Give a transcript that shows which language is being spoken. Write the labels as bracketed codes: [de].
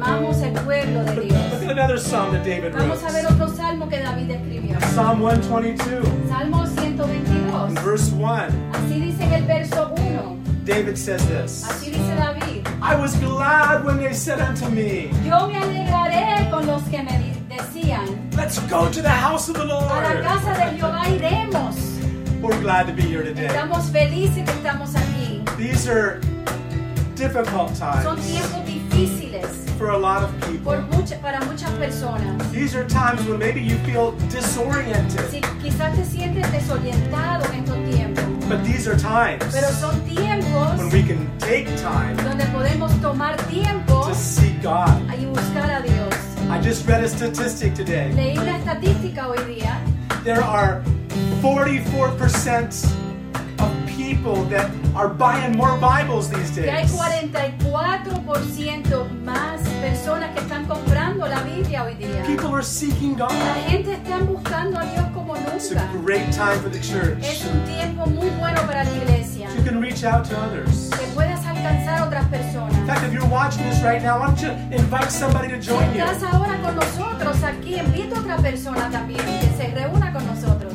[es] Amamos el pueblo de Dios. [en] Look at another psalm that David [es] vamos [en] wrote. [es] A ver otro salmo que David escribió. [en] Psalm 122. [es] Salmo 122. [en] Verse 1. [es] Así dice en el verso 1. [en] David says this. [es] Así dice David. [en] I was glad when they said unto me. [es] Yo me alegraré con los que me decían. [en] Let's go to the house of the Lord. [es] A la casa de Jehová iremos. [en] We're glad to be here today. [es] Estamos felices que estamos aquí. [en] These are difficult times. [es] Son tiempos difíciles. [en] For a lot of people. [es] Para muchas personas. [en] These are times when maybe you feel disoriented. [es] Si, quizás te sientes desorientado en estos tiempos. [en] But these are times. [es] Pero son tiempos. [en] When we can take time. [es] Donde podemos tomar tiempo. [en] To seek God. [es] Y buscar a Dios. [en] I just read a statistic today. [es] Leí la estadística hoy día. [en] There are 44% of people that are buying more Bibles these days. [es] Que hay 44% más personas que están comprando la Biblia hoy día. [en] People are seeking God. [es] La gente está buscando a Dios como nunca. [en] It's a great time for the church. [es] Es un tiempo muy bueno para la iglesia. [en] You can reach out to others. [es] Que puedes alcanzar a otras personas. [en] In fact, if you're watching this right now, why don't you invite somebody to join you? [es] Estás ahora con nosotros aquí. Invita a otra persona también que se reúna con nosotros.